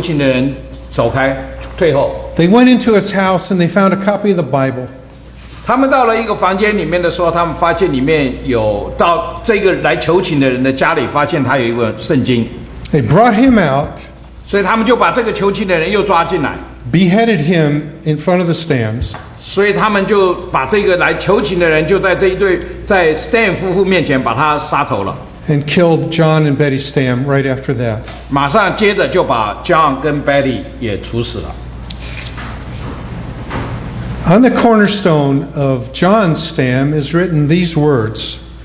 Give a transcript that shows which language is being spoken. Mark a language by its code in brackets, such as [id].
[zh] 所以这个军人就叫这个来求情的人走开，退后。 [en] They went into his house and they found a copy of the Bible. [zh] 他们到了一个房间里面的时候，他们发现里面有到这个来求情的人的家里，发现他有一本圣经。 [en] They brought him out. [zh] 所以他们就把这个求情的人又抓进来。 [en] Beheaded him in front of the Stams. [zh] 所以他们就把这个来求情的人就在这一对在Stam夫妇面前把他杀头了。 [en] And killed John and Betty Stam right after that. [zh] 马上接着就把John跟Betty也处死了。 [en] On the cornerstone of John Stam is written these words.